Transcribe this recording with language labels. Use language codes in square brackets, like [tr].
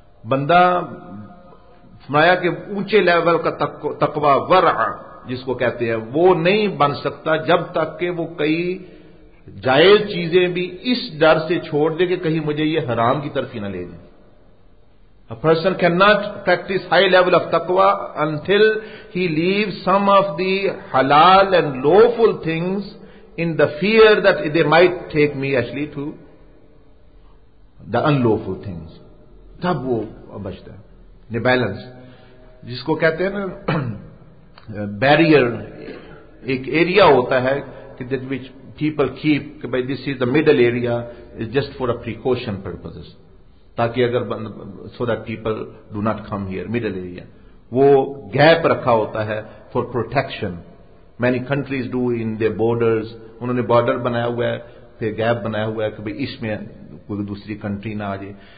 [ur] بندہ فرمایا کہ اونچے لیول کا تقوا ورع جس کو کہتے ہیں وہ نہیں بن سکتا جب تک کہ وہ کئی جائز چیزیں بھی اس ڈر سے چھوڑ دے کہ کہیں مجھے یہ حرام کی طرف ہی نہ لے جائے. [en] A person cannot practice high level of taqwa until he leaves some of the halal and lawful things in the fear that they might take me actually to the unlawful things. [ur] Tab wo bachta hai. [en] The balance. [ur] Jisko kehte hai na barrier, ek area hota hai [en] that which people keep, by this is the middle area, is just for a precaution purposes. تاکہ اگر so that people do not come here middle area, [ur] وہ gap رکھا ہوتا ہے [en] For protection. Many countries do in the borders, [ur] انہوں نے border بنایا ہوا ہے پھر گیپ بنایا ہوا ہے کہ بھائی اس میں کوئی دوسری کنٹری نہ آ جائے.